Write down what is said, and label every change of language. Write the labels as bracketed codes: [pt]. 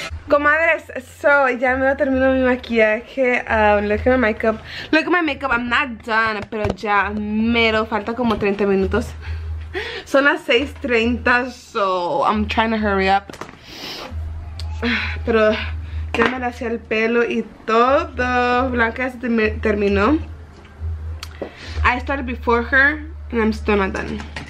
[es] Comadres, so ya me va a terminar mi maquillaje. [en] Look at my makeup. [es] Look at my makeup. [en] I'm not done, [es] pero ya mero. Falta como 30 minutos. Son las 6:30, [en] so I'm trying to hurry up. [es] Pero ya me lacé el pelo y todo. Blanca ya se terminó. [en] I started before her, and I'm still not done.